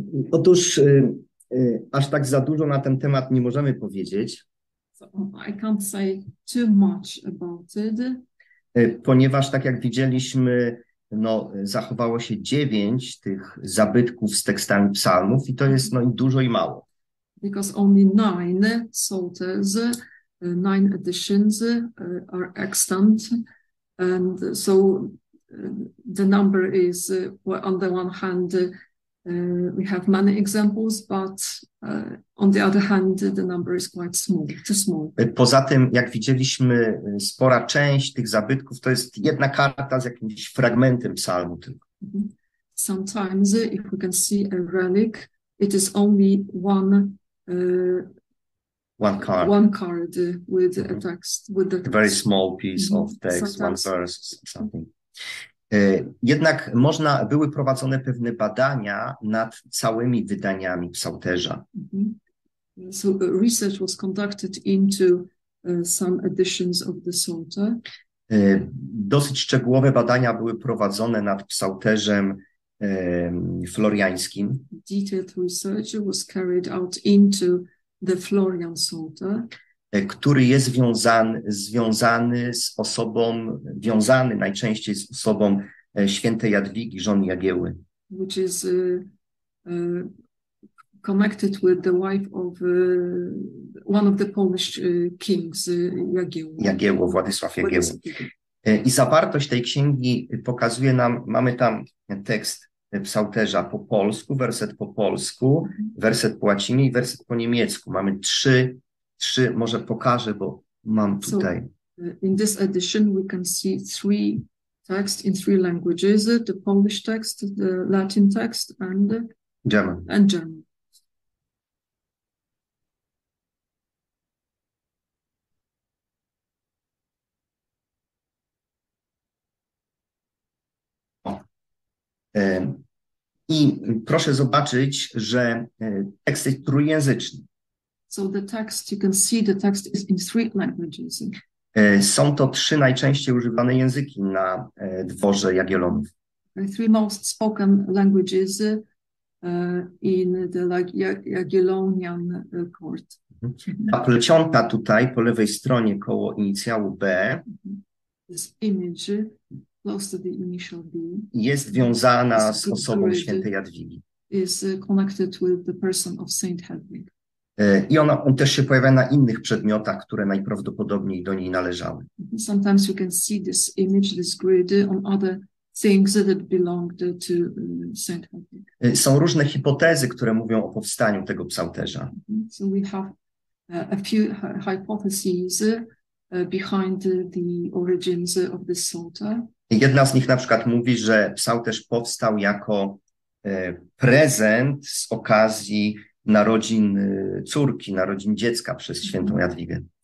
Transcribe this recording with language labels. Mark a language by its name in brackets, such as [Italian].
[Polish] Otóż aż tak za dużo na ten temat nie możemy powiedzieć. [English] So I can't say too much about it. [Polish] Ponieważ tak jak widzieliśmy, no, zachowało się 9 tych zabytków z tekstami psalmów i to jest no, i dużo i mało. [English] Because only 9 psalters, 9 editions are extant. And so the number is, on the one hand, we have many examples, but on the other hand, the number is quite small, too small. [Polish] Poza tym, jak widzieliśmy, spora część tych zabytków to jest jedna karta z jakimś fragmentem psalmu tylko. [English] Sometimes, if we can see a relic, it is only one one card. One card with a text, with the text. A very small piece of text, sometimes. One verse, something. [Polish] Jednak można były prowadzone pewne badania nad całymi wydaniami psalterza. Mm-hmm. [English] So research was conducted into some editions of the Psalter. [Polish] Dosyć szczegółowe badania były prowadzone nad psalterzem floriańskim. [English] Detailed research was carried out into the Florian Psalter. [Polish] Który jest związany z osobą, wiązany najczęściej z osobą świętej Jadwigi, żony Jagieły. [English] Which is connected with the wife of one of the Polish kings, Jagieły. [Polish] Jagieło, Władysław Jagieło. I zawartość tej księgi pokazuje nam, mamy tam tekst psalterza po polsku, werset po polsku, werset po łacinie i werset po niemiecku. Mamy trzy, może pokażę, bo mam tutaj. [English] So, in this edition we can see three texts in three languages, the Polish text, the Latin text and German. And German. [Polish] I proszę zobaczyć, że tekst jest trójjęzyczny. [English] So the text, you can see the text is in three languages. [Polish] Są to trzy najczęściej używane języki na dworze Jagiellonów. [English] Three most spoken languages in the Jagiellonian court. [Polish] A plecionka tutaj po lewej stronie koło inicjału B. [English] This image close to the initial B. [Polish] Jest wiązana z osobą świętej Jadwigi. [English] Is connected with the person of Saint Hedwig. [Polish] I on też się pojawia na innych przedmiotach, które najprawdopodobniej do niej należały. [English] Sometimes you can see this image, this grid on other things that belonged to Saint Hedwig. [Polish] Są różne hipotezy, które mówią o powstaniu tego psalterza. [English] So we have a few hypotheses behind the origins of this psalter. [Polish] Jedna z nich na przykład mówi, że psalterz powstał jako prezent z okazji narodzin córki, narodzin dziecka przez świętą Jadwigę.